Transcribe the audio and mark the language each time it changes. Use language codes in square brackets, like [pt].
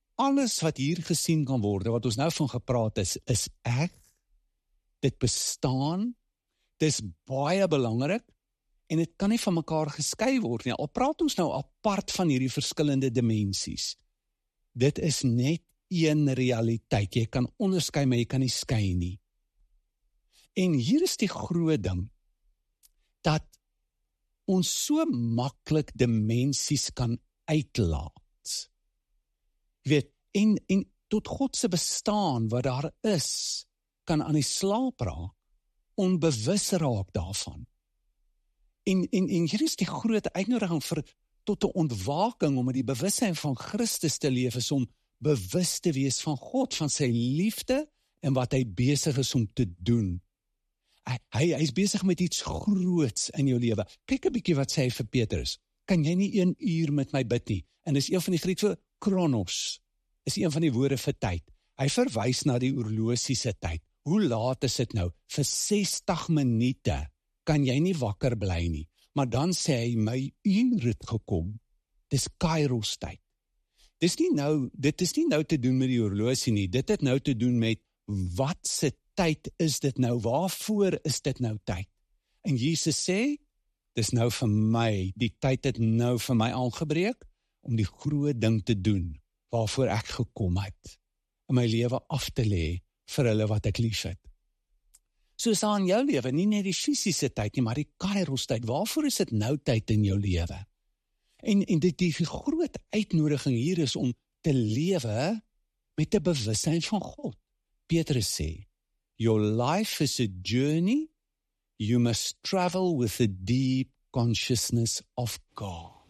[af] Alles wat hier gesien kan word, wat ons nou van gepraat is, is ek. Dit bestaan, dis baie belangrik, en dit kan nie van mekaar geskei word nie. Al praat ons nou apart van hierdie verskillende dimensies. Dit is net een realiteit. Jy kan onderskei, maar jy kan nie skei nie. En hier is die groot ding, dat ons so maklik dimensies kan uitlaat. Weet, en tot God se bestaan wat daar is, kan aan die slaap raak, onbewus raak daarvan. En hier is die groot uitnodiging vir tot 'n ontwaking, om met die bewussyn van Christus te leef, is om bewus te wees van God, van sy liefde en wat hy besig is om te doen. Hy is besig met iets groots in jou lewe. Kyk 'n bietjie wat sê hy vir Petrus, kan jy nie 1 uur met my bid nie? En is een van die Griekse Kronos is een van die woorde vir tyd. Hy verwys na die oorlosiese tyd. Hoe laat is dit nou? Vir 60 minute kan jy nie wakker bly nie. Maar dan sê hy, my uur het gekom. Dis Kairos tyd. Dit is nie nou te doen met die oorlosie nie. Dit het nou te doen met, wat se tyd is dit nou? Waarvoor is dit nou tyd? En Jesus sê, dis nou vir my. Die tyd het nou vir my aangebreek, om die groot ding te doen waarvoor ek gekom het, om my lewe af te lê vir hulle wat ek lief het. So is daar in jou lewe, nie net die fisiese tyd nie, maar die kairos tyd. Waarvoor is dit nou tyd in jou lewe? En dit die groot uitnodiging hier is om te lewe met 'n bewussyn van God. Petrus sê, [en] Your life is a journey. You must travel with a deep consciousness of God.